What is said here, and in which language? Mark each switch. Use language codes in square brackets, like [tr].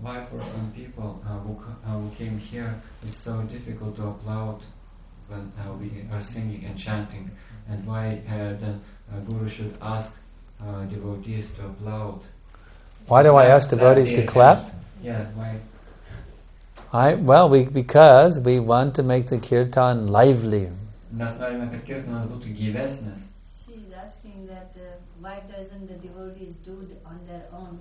[en] Why for some people who came here it's so difficult to applaud when we are singing and chanting? And why then Guru should ask devotees to applaud? Why do I ask devotees to clap? Yeah, why? Because we want to make the kirtan lively. [lt] Mes norime, kad kirtanas būtų gyvesnis. [en] He's asking that why doesn't the devotees do it on their own?